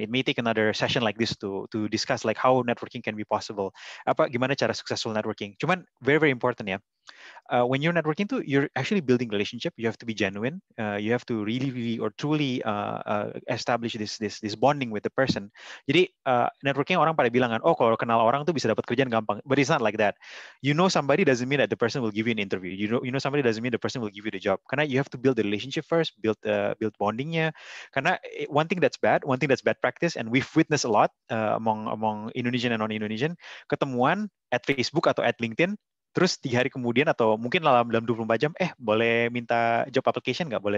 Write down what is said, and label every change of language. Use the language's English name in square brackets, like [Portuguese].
[English] It may take another session like this to discuss like how networking can be possible. [Indonesian] Apa gimana cara [English] successful networking? Cuman very very important ya. When you're networking too, you're actually building relationship. You have to be genuine. You have to really really or truly establish this bonding with the person. [Indonesian] Jadi networking orang pada bilang kan, oh kalau kenal orang tuh bisa dapat kerjaan gampang. [English] But it's not like that. You know somebody doesn't mean that the person will give you an interview. You know somebody doesn't mean the person will give you the job. Karena you have to build the relationship first, build bondingnya. Karena one thing that's bad practice, and we've witnessed a lot among Indonesian and non-Indonesian, ketemuan at Facebook atau at LinkedIn, [Indonesian] terus 3 hari kemudian atau mungkin dalam 24 jam, boleh minta job application nggak?